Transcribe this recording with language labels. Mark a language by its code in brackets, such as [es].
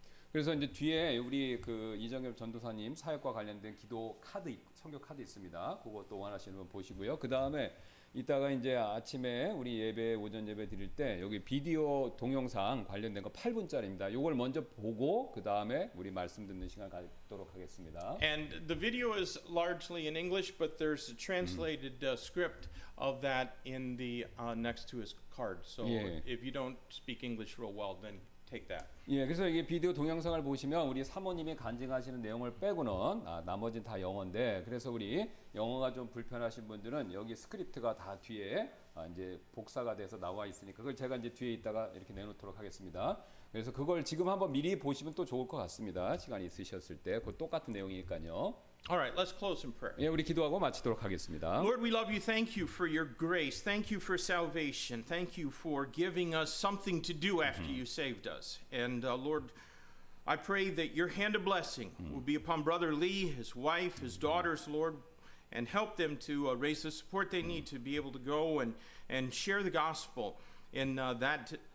[ko] 그래서 이제 뒤에 우리 그 이정엽 전도사님 사역과 관련된 기도 카드, 성교 카드 있습니다. 그것도 원하시는 분 보시고요. 그 다음에 이따가 이제 아침에 우리 예배, 오전 예배 드릴 때 여기 비디오 동영상 관련된 거 8분짜리입니다. 이걸 먼저 보고 그 다음에 우리 말씀 듣는 시간 갖도록 하겠습니다. [en] And the video is largely in English, but there's a translated script of that in the next to his card. So [ko] 예. [en] if you don't speak English real well, then take that. [ko] 예, 그래서 이게 비디오 동영상을 보시면 우리 사모님이 간증하시는 내용을 빼고는 나머지는 다 영어인데 그래서 우리 영어가 좀 불편하신 분들은 여기 스크립트가 다 뒤에 이제 복사가 돼서 나와 있으니까 그걸 제가 이제 뒤에 있다가 이렇게 내놓도록 하겠습니다. 그래서 그걸 지금 한번 미리 보시면 또 좋을 것 같습니다. 시간 있으셨을 때 그 똑같은 내용이니까요. [en] All right, let's close in prayer. [ko] 예, 우리 기도하고 마치도록 하겠습니다. [en] Lord, we love you. Thank you for your grace. Thank you for salvation. Thank you for giving us something to do after you saved us. And Lord, I pray that your hand of blessing will be upon Brother Lee, his wife, his daughters, Lord, and help them to raise the support they need to be able to go and share the gospel in that